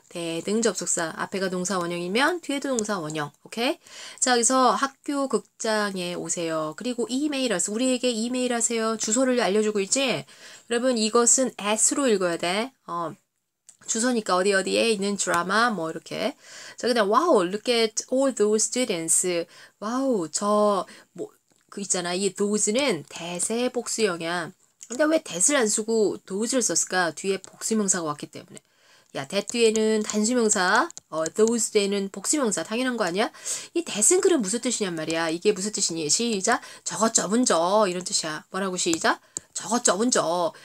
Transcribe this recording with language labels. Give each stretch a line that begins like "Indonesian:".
Korean: 대등 접속사. 앞에가 동사 원형이면 뒤에도 동사 원형. 오케이? 자, 여기서 학교 극장에 오세요. 그리고 이메일 하세요. 우리에게 이메일 하세요. 주소를 알려주고 있지? 여러분 이것은 s로 읽어야 돼. 주소니까 어디 어디에 있는 드라마 뭐 이렇게. 자, 그 다음 와우.
English: Look at all those students.
Korean: 와우. 저뭐그 있잖아. 이 those는 대세 복수형이야. 근데 왜 that을 안 쓰고 those를 썼을까? 뒤에 복수명사가 왔기 때문에. 야, that 뒤에는 단수명사, those 뒤에는 복수명사. 당연한 거 아니야? 이 that은 그럼 무슨 뜻이냔 말이야. 이게 무슨 뜻이니? 시작. 저거 좁은 저. 이런 뜻이야. 뭐라고 시작? 저거 좁은 저.